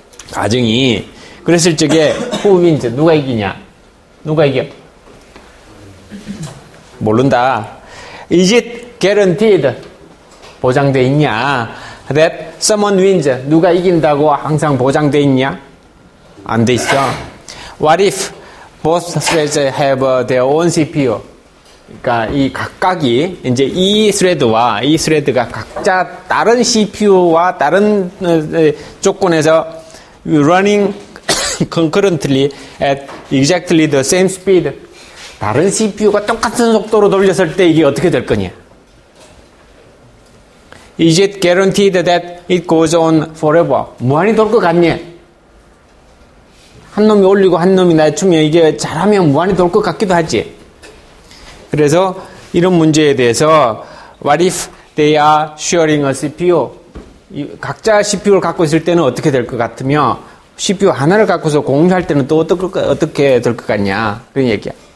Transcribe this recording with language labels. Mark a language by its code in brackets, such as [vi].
[ko] 가정이 그랬을 적에 후민즈 누가 이기냐? 누가 이겨? 모른다. [en] Is it guaranteed? [ko] 보장돼 있냐? [en] That someone wins. [ko] 누가 이긴다고 항상 보장돼 있냐? 안 돼 있어. [en] What if both threads have their own CPU? [ko] 그러니까 이 각각이 이제 이 스레드와 이 스레드가 각자 다른 CPU와 다른 조건에서 [en] running concurrently at exactly the same speed. [ko] 다른 CPU가 똑같은 속도로 돌렸을 때 이게 어떻게 될 거냐? [en] Is it guaranteed that it goes on forever? [ko] 무한히 돌 것 같냐? 한 놈이 올리고 한 놈이 낮추면 이게 잘하면 무한히 돌 것 같기도 하지. 그래서 이런 문제에 대해서 [en] What if they are sharing a CPU? [ko] 각자 CPU를 갖고 있을 때는 어떻게 될 것 같으며 CPU 하나를 갖고서 공유할 때는 또 어떻게 될 것 같냐 그런 얘기야.